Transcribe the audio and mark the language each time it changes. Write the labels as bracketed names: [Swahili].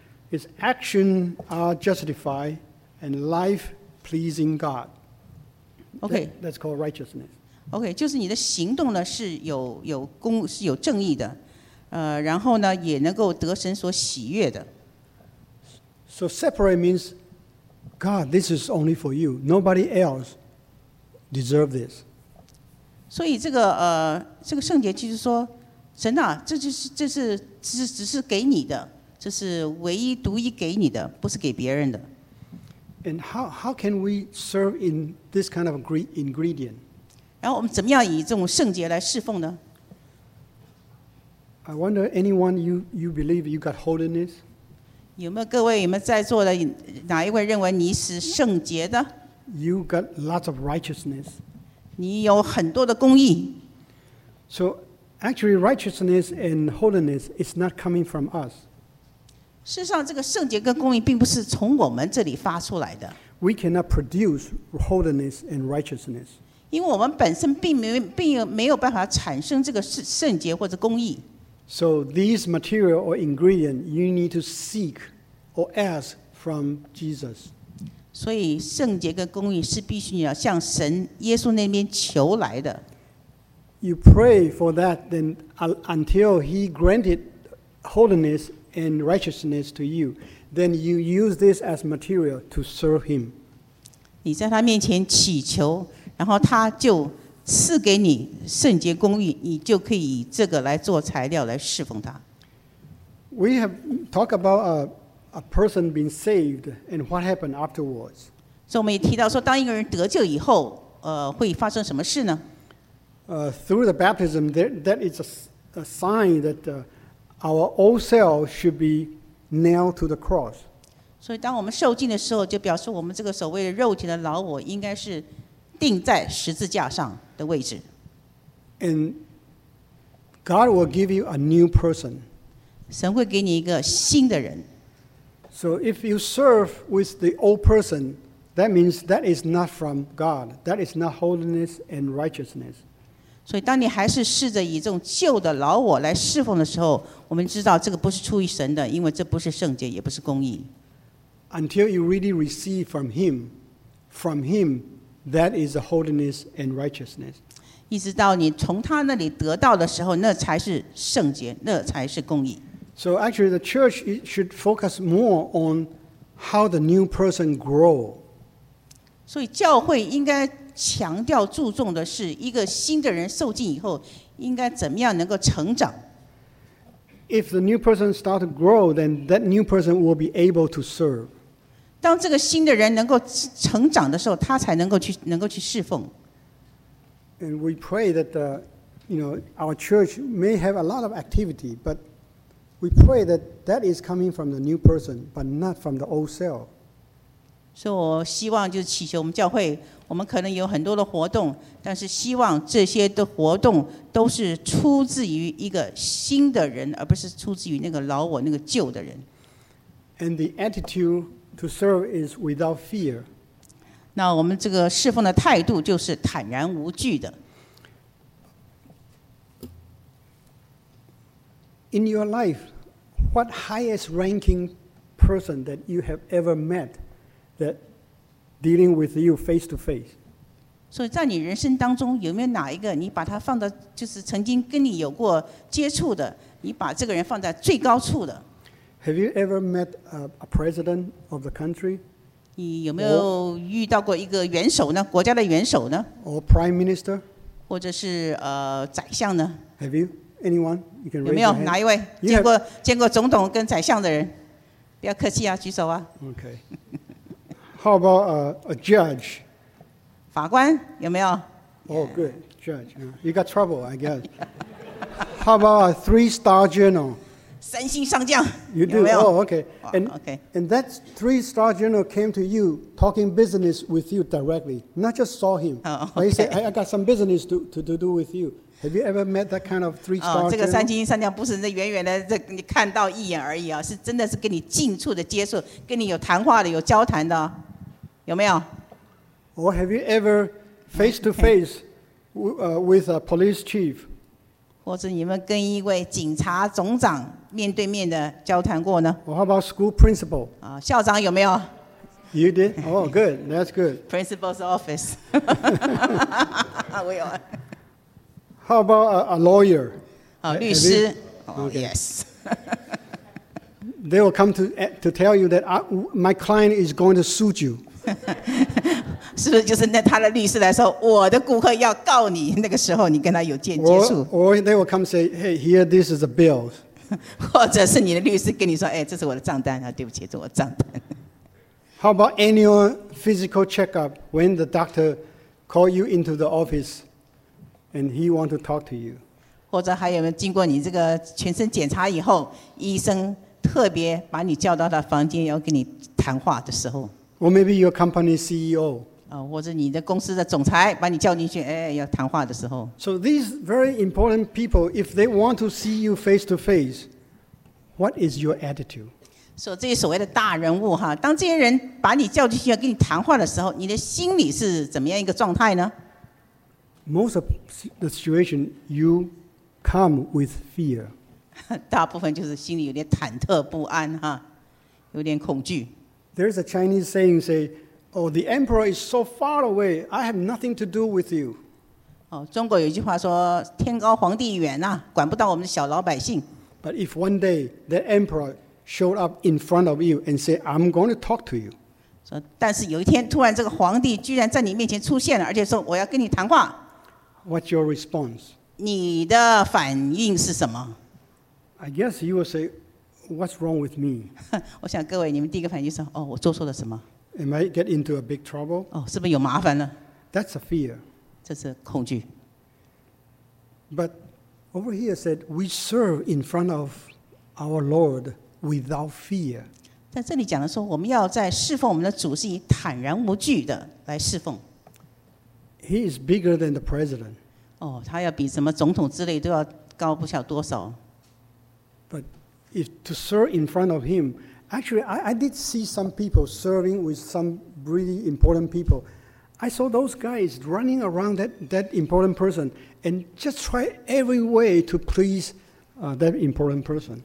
[English] It's action are justified and life pleasing God. OK, that's called righteousness. [Chinese] OK, 就是你的行动呢是 有正义的，然后呢也能够得神所喜悦的。 [English] So separate means God, this is only for you. Nobody else deserves this. [Chinese] 所以这个这个圣洁就是说，神啊，这就是这是只是给你的，这是唯一独一给你的，不是给别人的。 [English] And how can we serve in this kind of ingredient? [Chinese] 然后我们怎么样以这种圣洁来侍奉呢？ [English] I wonder anyone you believe you got holiness? [Chinese] 有没有各位，有没有在座的哪一位认为你是圣洁的？ [English] You got lots of righteousness. [Chinese] 你有很多的公义。 [English] So actually righteousness and holiness is not coming from us. [Chinese] 事实上这个圣洁跟公义并不是从我们这里发出来的。 [English] We cannot produce holiness and righteousness. [Chinese] 因为我们本身并没有办法产生这个圣洁或者公义。 [English] So these material or ingredient you need to seek or ask from Jesus. [Chinese] 所以圣洁跟公义是必须要向神耶稣那边求来的。 [English] You pray for that, then until He granted holiness and righteousness to you, then you use this as material to serve Him. [Chinese] 你在他面前祈求。然后他就赐给你圣洁公义，你就可以以这个来做材料来侍奉他。 [English] We have talked about a person being saved and what happened afterwards. [Chinese] 所以我们也提到说，当一个人得救以后，会发生什么事呢？ [English] Through the baptism, that is a sign that our old self should be nailed to the cross. [Chinese] 所以当我们受浸的时候，就表示我们这个所谓的肉体的老我应该是。钉在十字架上的位置。 [English] And God will give you a new person. [Chinese] 神会给你一个新的人。 [English] So if you serve with the old person, that means that is not from God. That is not holiness and righteousness. [Chinese] 所以当你还是试着以这种旧的老我来侍奉的时候，我们知道这个不是出于神的，因为这不是圣洁，也不是公义。 [English] Until you really receive from him,That is a holiness and righteousness. [Chinese] 一直到你从他那里得到的时候，那才是圣洁，那才是公义。 [English] So actually, the church should focus more on how the new person grow. [Chinese] 所以教会应该强调注重的是一个新的人受浸以后应该怎么样能够成长。 [English] If the new person start to grow, then that new person will be able to serve. [Chinese] 当这个新的人能够成长的时候，他才能够去侍奉。 [English] And we pray that our church may have a lot of activity, but we pray that is coming from the new person, but not from the old self. [Chinese] 所以我希望就是祈求我们教会，我们可能有很多的活动，但是希望这些的活动都是出自于一个新的人，而不是出自于那个老我那个旧的人。 [English] And the attitude. To serve is without fear. [Chinese] 那我们这个侍奉的态度就是坦然无惧的。 [English] In your life, what highest ranking person that you have ever met that dealing with you face to face? [Chinese] 所以在你人生当中，有没有哪一个你把他放到就是曾经跟你有过接触的，你把这个人放在最高处的？ [English] Have you ever met a president of the country? [Chinese] 你有没有遇到过一个元首呢？国家的元首呢？ [English] Or prime minister? [Chinese] 或者是宰相呢？ [English] Have you anyone? You can [Chinese] 有没有哪一位见过总统跟宰相的人？不要客气啊，举手啊。 [English] Okay. How about a judge? [Chinese] 法官有没有？ [English] Oh, good judge. You got trouble, I guess. How about a three-star general? [Chinese] 三星上将。 [English] You do. [Chinese] 有没有？ [English] Oh, okay. And, okay. And that three-star general came to you talking business with you directly, not just saw him. Oh, okay. But he said, I got some business to do with you. Have you ever met that kind of three-star general? [Chinese] 这个三星上将不是那远远的你看到一眼而已啊，是真的是跟你近处的接触，跟你有谈话的，有交谈的，有没有？ [English] Or have you ever face-to-face with a police chief? [Chinese] 或者你们跟一位警察总长面对面的交谈过呢？ [English] Or how about school principal? [Chinese] 校长有没有？ [English] You did? Oh, good. That's good. Principal's office. We are. How about a lawyer? [Chinese] 律师。 [English] Okay. Yes. They will come to tell you that my client is going to sue you. [Chinese] 是不是就是那他的律师来说，我的顾客要告你？那个时候你跟他有间接触。 [English] Or they will come say, "Hey, here, this is a bill." [Chinese] 或者是你的律师跟你说，哎，这是我的账单啊，对不起，这是我的账单。 [English] How about annual physical checkup when the doctor call you into the office? And he want to talk to you. [Chinese] 或者还有没有经过你这个全身检查以后，医生特别把你叫到他房间要跟你谈话的时候 [English] ？Or maybe your company CEO. [Chinese] 或者你的公司的总裁把你叫进去，哎，要谈话的时候。 [English] So these very important people, if they want to see you face to face, what is your attitude? [Chinese] 所以这些所谓的大人物哈，当这些人把你叫进去要跟你谈话的时候，你的心里是怎么样一个状态呢？ [English] Most of the situation, you come with fear. [Chinese] 大部分就是心里有点忐忑不安哈，有点恐惧。 [English] There's a Chinese saying say, "Oh, the emperor is so far away. I have nothing to do with you." [Chinese] 中国有一句话说，天高皇帝远呐，管不到我们小老百姓。 [English] But if one day the emperor showed up in front of you and say, "I'm going to talk to you." [Chinese] 但是有一天突然这个皇帝居然在你面前出现了，而且说我要跟你谈话。 [English] What's your response? [Chinese] 你的反应是什么？ [English] I guess you will say, "What's wrong with me?" [Chinese] 我想各位，你们第一个反应是，哦，我做错了什么？ [English] Am I get into a big trouble? [Chinese] 是不是有麻烦了？ [English] That's a fear. [Chinese] 这是恐惧。 [English] But over here said, "We serve in front of our Lord without fear." [Chinese] 在这里讲的说，我们要在侍奉我们的主是以坦然无惧的来侍奉。 [English] He is bigger than the president. [Chinese] 他要比什么总统之类都要高不晓多少。 [English] But if to serve in front of him, actually, I did see some people serving with some really important people. I saw those guys running around that important person and just try every way to please that important person.